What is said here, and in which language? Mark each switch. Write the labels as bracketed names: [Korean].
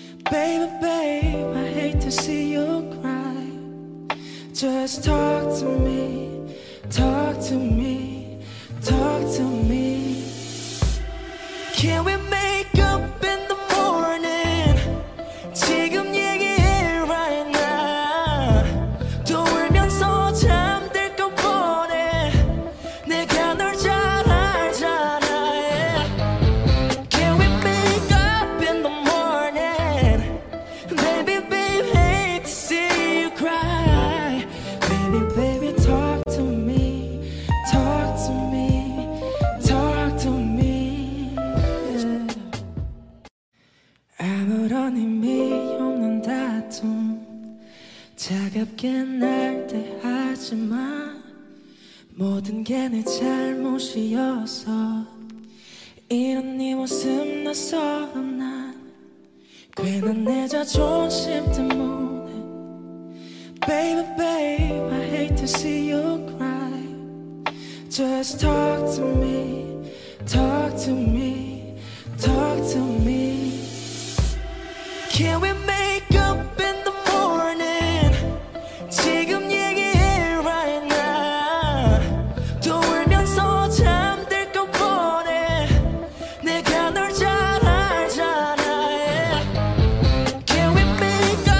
[English] Baby, babe, I hate to see you cry Just talk to me, talk to me, talk to me Can we make up in the morning? [Korean] 지금 얘기해 [English] right now [Korean] 또 울면서 잠들 것 뻔해 내가 널 잘 알잖아 yeah. [English] Can we make up in the morning? Baby, baby, hate to see you cry Baby, baby, talk to me Talk to me Talk to me yeah. [Korean] 아무런 의미 차갑게 날대하지 마 모든 게 내 잘못이어서 이런 네 모습 낯설어 난 괜한 내 자존심 때문에 [English] Baby, babe, I hate to see you cry Just talk to me, talk to me, talk to me Can we make up in the morning? [Korean] 지금 얘기해 [English] right now [Korean] 또 울면서 잠들 것 뻔해 내가 널 잘 알잖아 yeah. [English] Can we make